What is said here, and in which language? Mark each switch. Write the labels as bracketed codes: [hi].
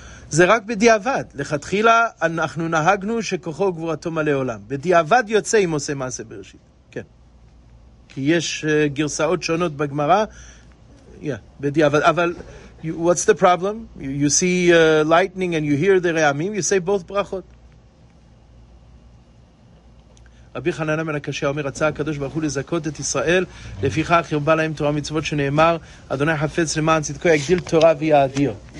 [he] זה רק בדיעבד. לכתחילה אנחנו נהגנו שכוחו גבורתו מלא עולם. בדיעבד יוצא אם עושה מעשה בראשית. כן. כי יש גרסאות שונות בגמרא. בדיעבד. אבל [en] what's the problem? You see lightning and you hear the רעמים, you say both ברכות. [he] רבי חננה מן הקשיא אומר, רצה הקדוש ברוך הוא לזכות את ישראל, לפיכך ירבה להם תורה מצוות שנאמר, אדוני חפץ למען צדקו יגדיל תורה ויאדיר.